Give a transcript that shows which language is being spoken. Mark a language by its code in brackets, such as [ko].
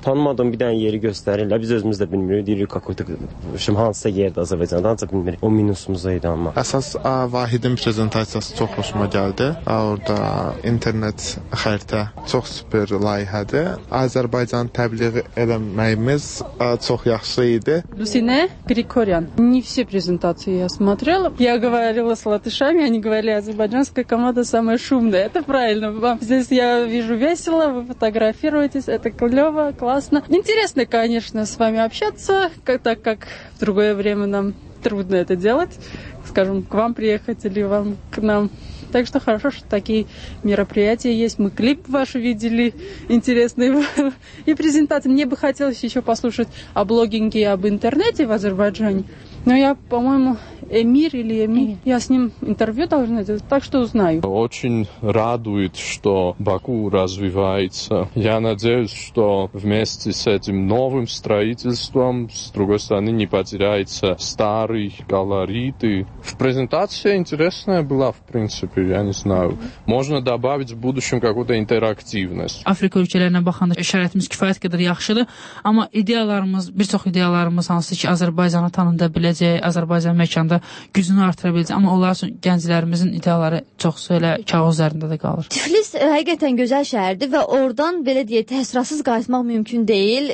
[az] Tanımadığım bir dənə yeri göstərirlər. Biz özümüz də bilmirik. Deyirik, şim hansısa yerdir Azərbaycanda, ancaq bilmirik. O minusumuz idi amma. Əsas Vahidin prezentasiyası çox xoşuma gəldi. Orada internet xəritə çox süper layihədir. Azərbaycan təbliğ eləməyimiz çox yaxşı idi. Lusine Grigoryan. [ru] Не все презентации я смотрела. Я говорила с латышами, они говорили, азербайджанская команда самая шумная. Это правильно. Вам здесь я вижу весело, вы фотографируетесь, это клево, классно. Интересно, конечно, с вами общаться, так как в другое время нам трудно это делать, скажем, к вам приехать или вам к нам. Так что хорошо, что такие мероприятия есть. Мы клип ваш видели, интересный. И презентация. Мне бы хотелось еще послушать о блогинге и об интернете в Азербайджане. Но я, по-моему, Эмир или Эмир. Я с ним интервью должна делать, так что узнаю. Очень радует, что Баку развивается. Я надеюсь, что вместе с этим новым строительством, с другой стороны, не потеряется старый колорит. В презентации интересная была, в принципе, я не знаю. Можно добавить в будущем какую-то интерактивность. [az] Африка ülkelerine bakanda şəraitimiz kifayət qədər yaxşıdır. Amma ideyalarımız, bir çox ideyalarımız hansı ki, Azərbaycanı tanında biləcək, Azərbaycan məkanda gücünü artıra biləcək. Amma onlar üçün gənclərimizin ideyaları çoxsa elə kağız üzərində də qalır. Tiflis həqiqətən gözəl şəhərdir və oradan belə deyək, təsirsiz qayıtmaq mümkün deyil.